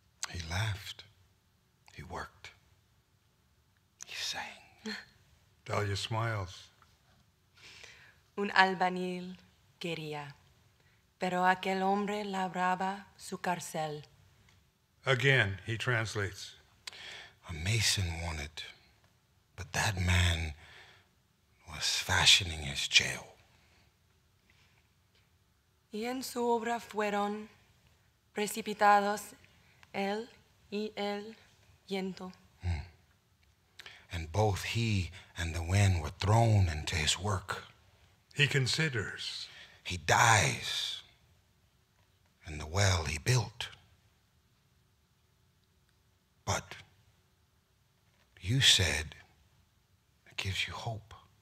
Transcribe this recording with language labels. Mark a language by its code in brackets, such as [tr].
[en] He laughed. He worked. He sang. Dahlia smiles. [es] Un albañil quería, pero aquel hombre labraba su carcel. [en] Again, he translates. A mason wanted, but that man was fashioning his jail. [es] Y en su obra fueron precipitados él y el viento. [en] And both he and the wind were thrown into his work. He considers. He dies in the well he built. But you said it gives you hope.